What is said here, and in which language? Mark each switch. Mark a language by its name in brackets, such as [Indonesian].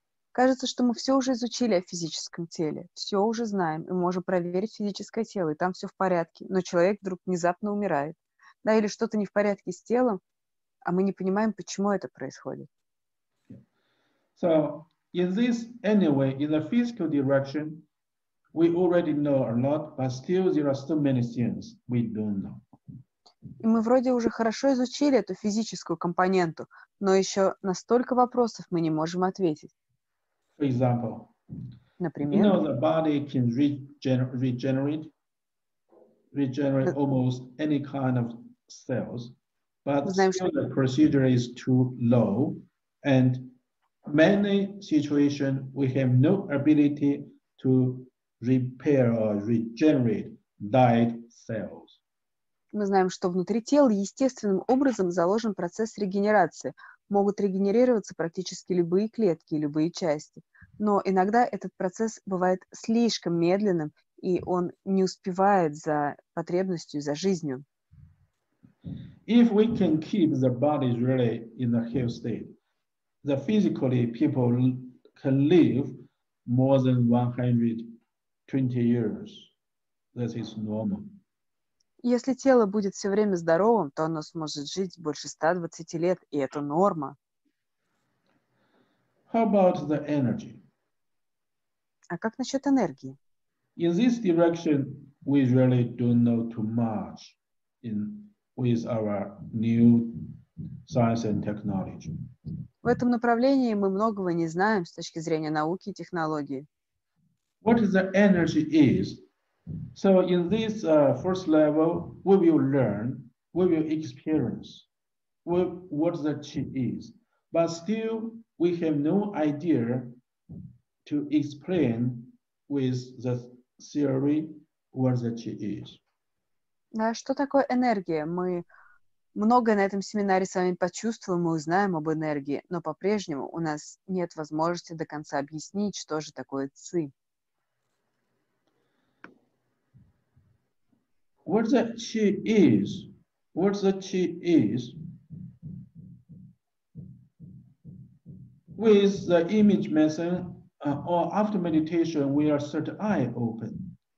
[Russian] Кажется, что мы все уже изучили о физическом теле, все уже знаем, и можем проверить физическое тело, и там все в порядке, но человек вдруг внезапно умирает. Да, или что-то не в порядке с телом, а мы не понимаем, почему это происходит. [English] So, in this anyway, in the physical direction, we already know a lot, but still there are so many things we don't know. [Russian] И мы вроде уже хорошо изучили эту физическую компоненту, но еще на столько вопросов мы не можем ответить. [English] For example, [Russian] например, [English] you know the body can regenerate almost any kind of cells, but [Russian] знаем, [English] still the procedure is too low, and many situations we have no ability to repair or regenerate dead cells. [Russian] Мы знаем, что внутри тела естественным образом заложен процесс регенерации. Могут регенерироваться практически любые клетки, любые части. Но иногда этот процесс бывает слишком медленным, и он не успевает за потребностью, за жизнью. [English] If we can keep the body really in a healthy state, the physically people can live more than 120 years. That is normal. [Russian] Если тело будет все время здоровым, то оно сможет жить больше 120 лет, и это норма. [English] How about the energy? [Russian] А как насчет энергии? [English] In this direction, we really don't know too much with our new science and technology. [Russian] В этом направлении мы многого не знаем с точки зрения науки и технологии. [English] What is the energy is? So in this first level, we will learn, we will experience what the chi is. But still, we have no idea to explain with the theory what the chi is. [Russian] Да, что такое энергия? Мы многое на этом семинаре с вами почувствуем, мы узнаем об энергии, но по-прежнему у нас нет возможности до конца объяснить, что же такое ци. [English] What the chi is, what the chi is, with the image method, or after meditation, we are set eye open.